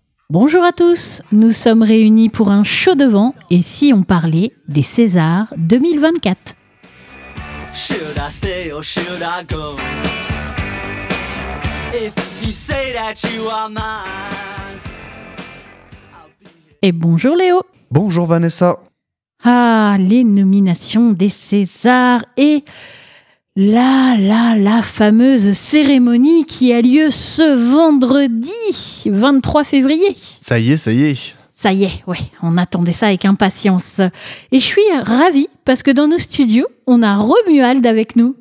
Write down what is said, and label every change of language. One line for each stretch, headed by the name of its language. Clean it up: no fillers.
French: Bonjour à tous, nous sommes réunis pour un chaud devant et si on parlait des Césars 2024.
English: Should I stay or should I go? If you say that you are mine.
French: Et bonjour Léo. Bonjour Vanessa. Ah, les nominations des Césars et la fameuse cérémonie qui a lieu ce vendredi 23 février. Ça y est, ouais, on attendait ça avec impatience. Et je suis ravie parce que dans nos studios, on a Romuald avec nous.